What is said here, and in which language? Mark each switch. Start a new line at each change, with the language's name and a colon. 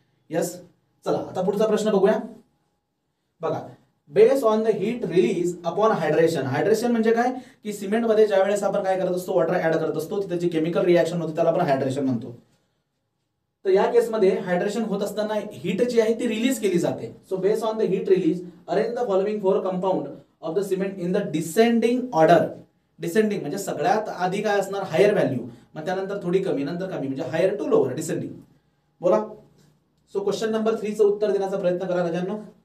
Marathi: Yes, चला आता पुढचा प्रश्न बघूया. बघा,
English: Base on the heat release upon hydration.
Marathi: Hydration म्हणजे काय, की सिमेंट मध्ये ज्या वेळेस आपण काय करत असतो, वॉटर ऍड करत असतो, तिथे जी केमिकल रिएक्शन होते त्याला आपण हायड्रेशन म्हणतो. तर या केसमध्ये हायड्रेशन होत असताना हीट जी आहे ती रिलीज केली जाते.
English: So base on the heat release, arrange the following four compound of the cement in the descending order.
Marathi: Descending म्हणजे सगळ्यात आधी काय असणार, हायर व्हॅल्यू, मग त्यानंतर थोडी कमी, नंतर कमी, म्हणजे
English: Higher to lower descending.
Marathi: बोला. सो क्वेश्चन नंबर 3 चं उत्तर देण्याचा प्रयत्न करा राजांनो.